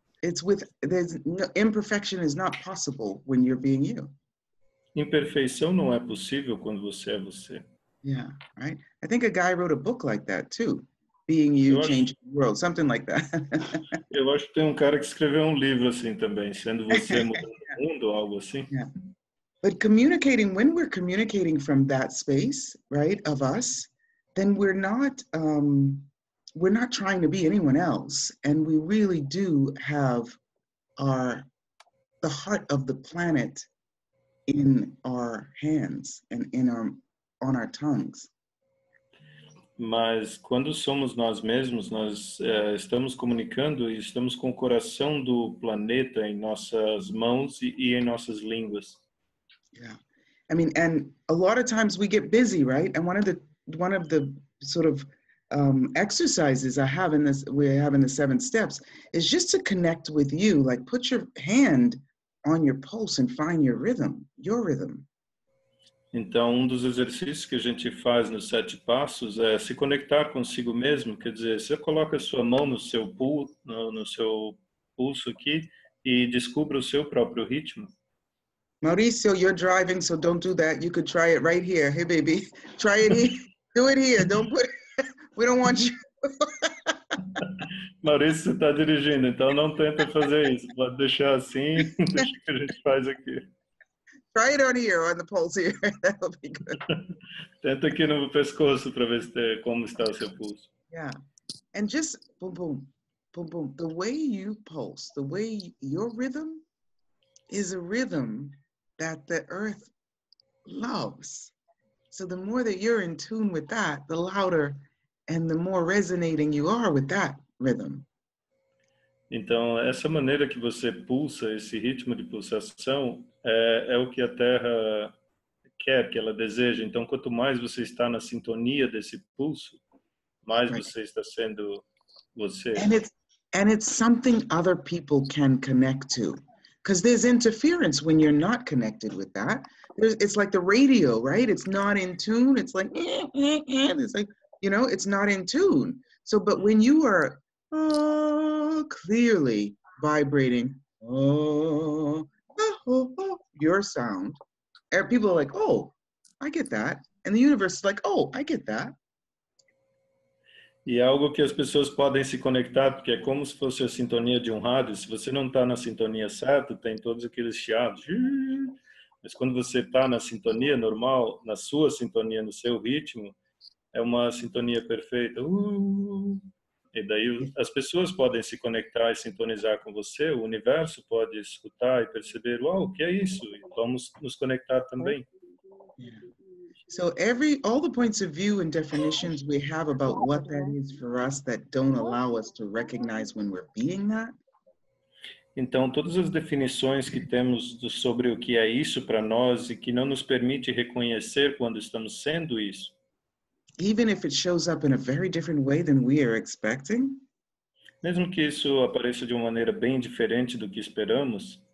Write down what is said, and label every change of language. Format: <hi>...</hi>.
<en>It's with there's no, imperfection is not possible when you're being you.</en> <pt>Imperfeição não é possível quando você é você.</pt> <en>Yeah, right. I think a guy wrote a book like that too. Being you,</en> <pt>acho,</pt> <en>changing the world, something like that.</en> <pt>Eu acho que tem um cara que escreveu um livro assim também, sendo você mudando o mundo, algo assim.</pt> <en>Yeah. But communicating, when we're communicating from that space, right, of us, then we're not trying to be anyone else, and we really do have our the heart of the planet in our hands and in our on our tongues.</en> <pt>Mas quando somos nós mesmos, nós estamos comunicando e estamos com o coração do planeta em nossas mãos e em nossas línguas.</pt> <en>Yeah. I mean, and a lot of times we get busy, right? And one of the sort of exercises I have in this, we have in the seven steps, is just to connect with you, like put your hand on your pulse and find your rhythm, your rhythm.</en> <pt>Então, um dos exercícios que a gente faz nos sete passos é se conectar consigo mesmo, quer dizer, você coloca a sua mão no seu pulso aqui e descubra o seu próprio ritmo.</pt> <en>Mauricio, you're driving, so don't do that. You could try it right here. Hey, baby, try it here. Do it here. Don't put it. We don't want you.</en> <pt>Mauricio, você está dirigindo, então não tenta fazer isso. Pode deixar assim, deixa que a gente faz aqui.</pt> <en>Try it on here, on the pulse here. That'll be good.</en> <pt>Tenta aqui no pescoço para ver se, como está o seu pulso.</pt> <en>Yeah. And just boom, boom, boom, boom. The way you pulse, the way your rhythm is a rhythm that the earth loves. So the more that you're in tune with that, the louder and the more resonating you are with that rhythm.</en> <pt>Então, essa maneira que você pulsa, esse ritmo de pulsação, é o que a Terra quer, que ela deseja. Então, quanto mais você está na sintonia desse pulso, mais right. você está sendo você.</pt> <en>And it's something other people can connect to. Because there's interference when you're not connected with that. It's like the radio, right? It's not in tune. It's like, it's like, you know, it's not in tune. So, but when you are clearly vibrating, your sound, and people are like, oh, I get that. And the universe is like, oh, I get that.</en> <pt>E é algo que as pessoas podem se conectar, porque é como se fosse a sintonia de um rádio. Se você não está na sintonia certa, tem todos aqueles chiados. Mas quando você está na sintonia normal, na sua sintonia, no seu ritmo, é uma sintonia perfeita. E daí as pessoas podem se conectar e sintonizar com você. O universo pode escutar e perceber, uau, o que é isso? E vamos nos conectar também.</pt> <en>Yeah. So all the points of view and definitions we have about what that is for us that don't allow us to recognize when we're being that.</en> <pt>Então, todas as definições que temos sobre o que é isso para nós e que não nos permite reconhecer quando estamos sendo isso.</pt> <en>Even if it shows up in a very different way than we are expecting.</en> <pt>Mesmo que isso apareça de uma maneira bem diferente do que esperamos.</pt>